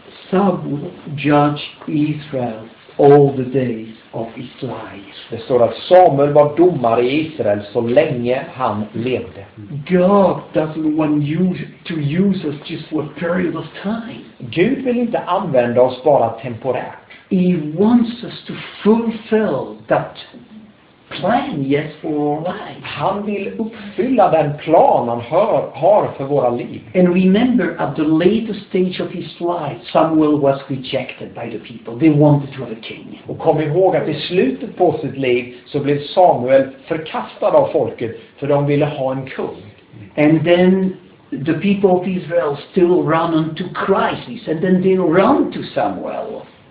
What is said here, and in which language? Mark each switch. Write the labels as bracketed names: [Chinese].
[English] Saul judge Israel all the days of his life. [Swedish] Det står att Samuel var domare i Israel så länge han levde. [English] God doesn't want you to use us just for a period of time. [Swedish] Gud vill inte använda oss bara temporärt. [English] He wants us to fulfill that plan, yes, for our life. [Swedish] Han vill uppfylla den plan han har för våra liv. [English] And remember, at the latest stage of his life, Samuel was rejected by the people. They wanted to have a king. [Swedish] Och kom ihåg att i slutet på sitt liv så blev Samuel förkastad av folket för de ville ha en kung. [English] And then the people of Israel still run into crisis, and then they run to Samuel.